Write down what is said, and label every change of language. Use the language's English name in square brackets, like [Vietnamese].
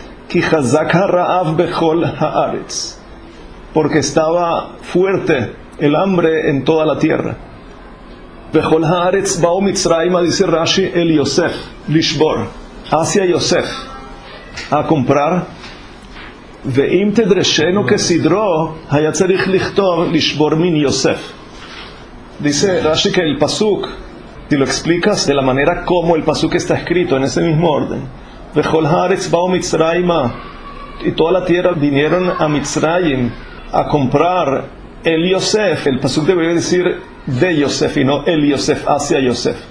[Hebrew] כי חזק הרעב בכל הארץ, [Spanish] porque estaba fuerte el hambre en toda la tierra. [Hebrew] בכל הארץ באו מצרים, [Spanish] dice Rashi, el Yosef, לשבור, hacia Yosef, a comprar. [Hebrew] ואם תדרשנו כסדרו, היה צריך לכתוב לשבור מן יוסף. [Spanish] Dice Rashi que el pasuk, si lo explicas de la manera como el pasuk está escrito en ese mismo orden, [Hebrew] וכל הארץ באו מצרים, [Spanish] y toda la tierra vinieron a Mitzrayim a comprar el Yosef, el pasuk debería decir de Yosef y no el Yosef hacia Yosef.